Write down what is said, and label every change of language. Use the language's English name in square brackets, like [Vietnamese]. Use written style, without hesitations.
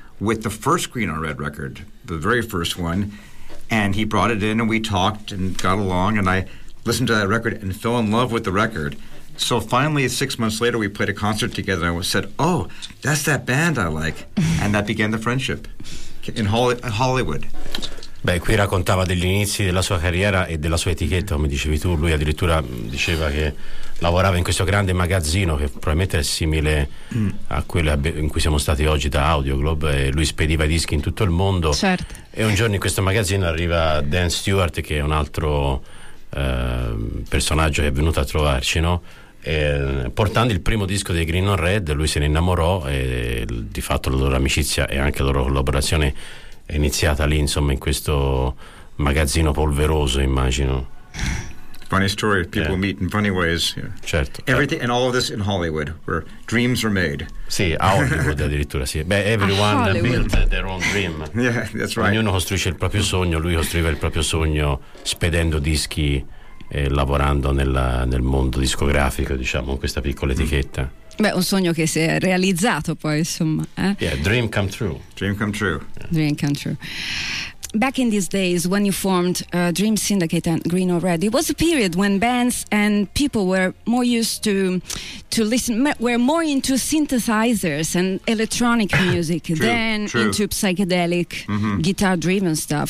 [English] with the first Green on Red record, the very first one, and he brought it in and we talked and got along, and I listened to that record and fell in love with the record. So finally, 6 months later, we played a concert together, and I said, oh, that's that band I like. And that began the friendship in Hollywood. [Italian] Beh, qui raccontava degli inizi della sua carriera e della sua etichetta, come dicevi tu. Lui addirittura diceva che lavorava in questo grande magazzino che probabilmente è simile a quello in cui siamo stati oggi da Audioglobe, e lui spediva dischi in tutto il mondo. Certo. E un giorno in questo magazzino arriva Dan Stewart, che è un altro personaggio che è venuto a trovarci, no? E, portando il primo disco dei Green on Red, lui se ne innamorò e di fatto la loro amicizia e anche la loro collaborazione è iniziata lì, insomma, in questo magazzino polveroso, immagino. [English] Funny story, people yeah. meet in funny ways. Yeah. [Italian] Certo. [English] Everything and all of this in Hollywood, where dreams are made. [Italian] Sì, a Hollywood addirittura, sì. Beh, [English] everyone built their own dream. Yeah, that's right. [Italian] Ognuno costruisce il proprio sogno, lui costruiva il proprio sogno spedendo dischi e lavorando nel mondo discografico, diciamo, questa piccola etichetta. Beh, un sogno che si è realizzato poi, insomma. [English] Yeah, dream come true. Dream come true. Dream come true. Back in these days, when you formed Dream Syndicate and Green or Red, it was a period when bands and people were more used to listen, were more into synthesizers and electronic music than into psychedelic guitar-driven stuff.